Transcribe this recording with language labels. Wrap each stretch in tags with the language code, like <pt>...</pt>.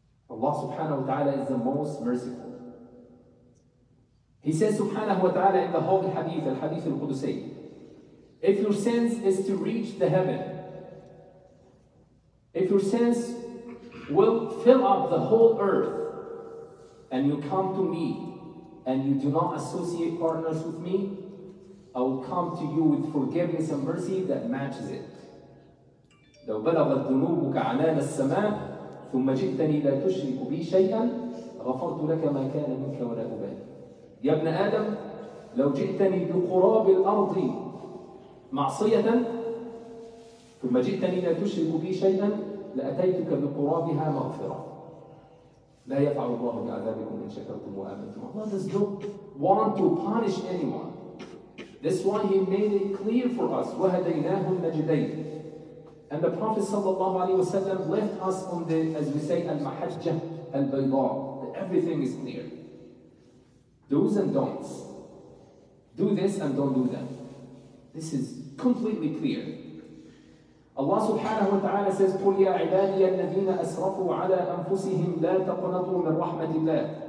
<en>Allah subhanahu wa ta'ala is the most merciful. He says subhanahu wa ta'ala in the holy hadith, al-hadith al-Qudusi, if your sins is to reach the heaven, if your sins will fill up the whole earth, and you come to me, and you do not associate partners with me, I will come to you with forgiveness and mercy that matches it.</en> <ar>لو بلغت ذنوبك عنان السماء ثم جئتني لا تشرك بي شيئا غفرت لك ما كان منك ولا أبالي. يا ابن آدم لو جئتني بقراب الأرض معصية ثم جئتني لا تشرك بي شيئا لأتيتك بقرابها مغفرة. لا يفعل الله بعذابكم إن شكرتم وآمنتم.</ar> <en>Allah does not want to punish anyone. This one, he made it clear for us.</en> <ar>وهديناه النجدين.</ar> <en>And the Prophet sallallahu alaihi wasallam left us on the, as we say,</en> <ar>المحجة البيضاء.</ar> <en>Everything is clear. Do's and don'ts. Do this and don't do that. This is completely clear. Allah subhanahu wa ta'ala says,</en> <ar>قُلْ يَا عِبَادِيَ الَّذِينَ أَسْرَفُوا عَلَىٰ أَنفُسِهِمْ لَا تَقْنَطُوا مِنْ رَحْمَةِ اللَّهِ.</ar>